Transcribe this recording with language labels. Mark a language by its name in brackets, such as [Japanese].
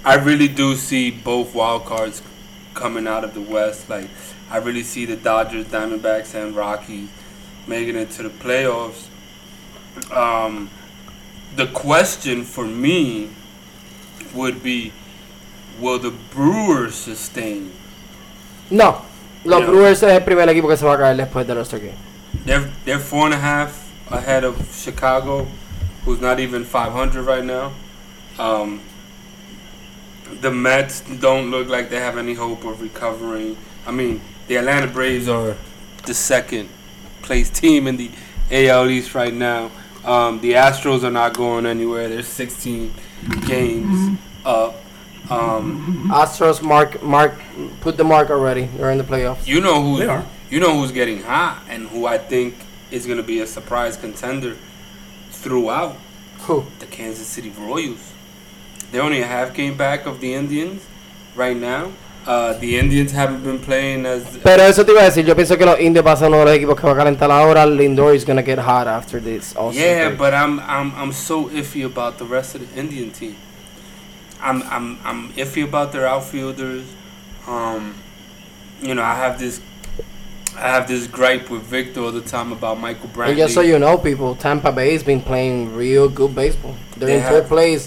[English] I really do see both wild cards coming out of the West. Like, I really see the Dodgers, Diamondbacks, and Rockies making it to the playoffs. The question for me would be, will the Brewers sustain? No. [Spanish] Los Brewers es el primer equipo que se va a caer después de los Rockies. [English] They're 4.5 ahead of Chicago, who's not even 500 right now. The Mets don't look like they have any hope of recovering. I mean, the Atlanta Braves are the second place team in the AL East right now. The Astros are not going anywhere. They're 16 games up. Astros, Mark, put the mark already. They're in the playoffs. You know who they are. You know who's getting hot and who I think is going to be a surprise contender throughout? Who? The Kansas City Royals. They're only a half game back of the Indians right now. The Indians haven't been playing as. [Spanish] Pero eso te iba a decir. Yo pienso que los Indios van a ser uno de los equipos que va a calentar ahora. [English] Lindor is gonna get hot after this. Also, yeah, great. But I'm so iffy about the rest of the Indian team. I'm iffy about their outfielders. You know, I have this gripe with Victor all the time about Michael Brantley. And just so you know, people, Tampa Bay has been playing real good baseball. They're in third place.